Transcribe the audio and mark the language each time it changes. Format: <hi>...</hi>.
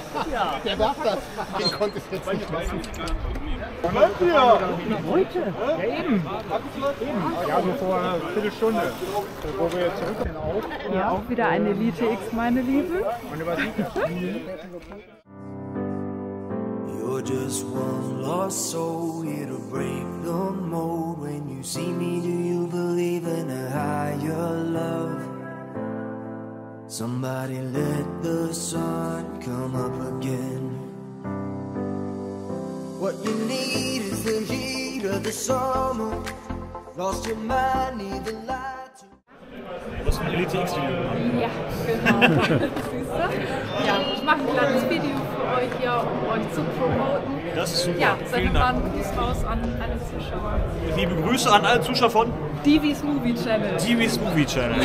<de>ja. Der darf das. Den konnte ich jetzt nicht messen. Wo sind wir? Heute? Ja, eben. Ja, so vor einer Viertelstunde. Wo wir jetzt zurückkommen. auch wieder ein Elite X, meine Lieben.</de> <en>You're just one lost soul here to break the mold. When you see me, do you believe in a higher love? Somebody let the sun come up again. What you need is the heat of the summer. Lost your mind, need the light.</en> <de>Was für ein Elite-X-Video? Ja, genau. Ja, ich mache ein kleines Video für euch hier, um euch zu promoten. Das ist super. Ja, sende mal einen Gruß raus an alle Zuschauer. Liebe Grüße an alle Zuschauer von Divi's Movie Channel. Divi's Movie Channel.</de>